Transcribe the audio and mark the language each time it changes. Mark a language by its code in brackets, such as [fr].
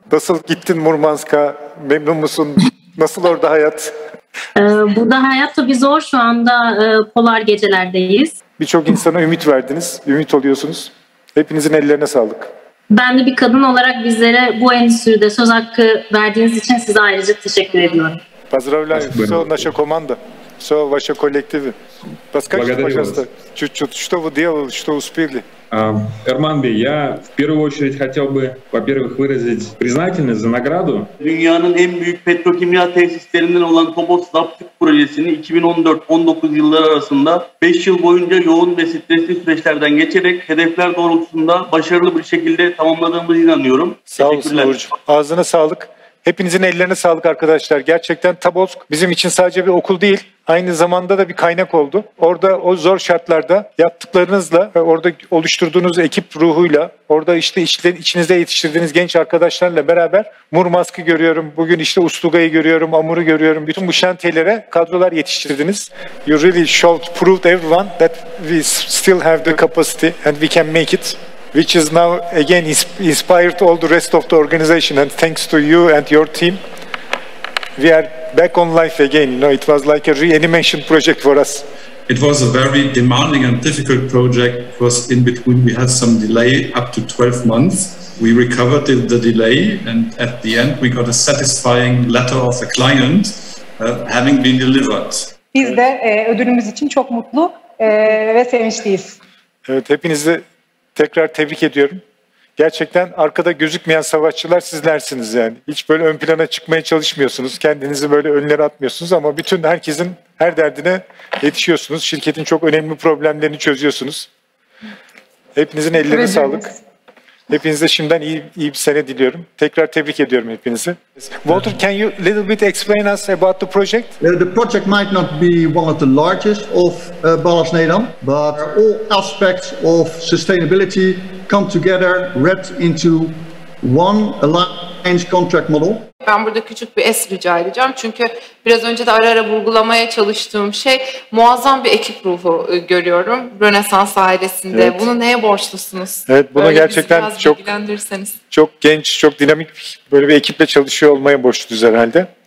[tr] Nasıl gittin Murmansk'a? Memnun musun? Nasıl orada hayat? Burada hayat tabii zor, şu anda polar gecelerdeyiz. Birçok insana ümit verdiniz, ümit oluyorsunuz. Hepinizin ellerine sağlık. Ben de bir kadın olarak bizlere bu endüstride söz hakkı verdiğiniz için size ayrıca teşekkür ediyorum. [ru] Поздравляю всё наше команда, всё ваше коллективы. Расскажите, пожалуйста, чуть-чуть, что вы делали, что успели? Эрман Бей, я в первую очередь хотел бы, во-первых, выразить признательность за награду. [tr] Dünyanın en büyük petrokimya tesislerinden olan Kobos Daptik projesini 2014-19 yılları arasında 5 yıl boyunca yoğun ve stresli süreçlerden geçerek hedefler doğrultusunda başarılı bir şekilde tamamladığımıza inanıyorum. Sağ olsun Uğurcuğum. Ağzına sağlık. Hepinizin ellerine sağlık arkadaşlar. Gerçekten Tobolsk bizim için sadece bir okul değil, aynı zamanda da bir kaynak oldu. Orada o zor şartlarda yaptıklarınızla ve orada oluşturduğunuz ekip ruhuyla, orada işte içinizde yetiştirdiğiniz genç arkadaşlarla beraber Murmansk'ı görüyorum, bugün işte Ustuga'yı görüyorum, Amur'u görüyorum. Bütün bu şantiyelere kadrolar yetiştirdiniz. [en] You really showed, proved everyone that we still have the capacity and we can make it. Which is now again inspired all the rest of the organization, and thanks to you and your team, we are back on life again. You know, it was like a reanimation project for us. It was a very demanding and difficult project, because in between we had some delay up to 12 months. We recovered the delay, and at the end we got a satisfying letter of the client having been delivered. [tr] Biz de ödülümüz için çok mutlu ve sevinçliyiz. Evet, hepinizi tekrar tebrik ediyorum. Gerçekten arkada gözükmeyen savaşçılar sizlersiniz yani. Hiç böyle ön plana çıkmaya çalışmıyorsunuz. Kendinizi böyle önlere atmıyorsunuz ama bütün herkesin her derdine yetişiyorsunuz. Şirketin çok önemli problemlerini çözüyorsunuz. Hepinizin ellerine sağlık. Hepinize şimdiden iyi bir sene diliyorum. Tekrar tebrik ediyorum hepinizi. [en] Walter, can you a little bit explain us about the project? The project might not be one of the largest of Ballast Nedam, but all aspects of sustainability come together, wrapped into one aligned contract model. [tr] Ben burada küçük bir es rica edeceğim. Çünkü biraz önce de ara ara vurgulamaya çalıştığım şey, muazzam bir ekip ruhu görüyorum Rönesans ailesinde. Evet. Bunu neye borçlusunuz? Evet, bunu gerçekten çok çok genç, çok dinamik böyle bir ekiple çalışıyor olmaya borçluyuz herhalde.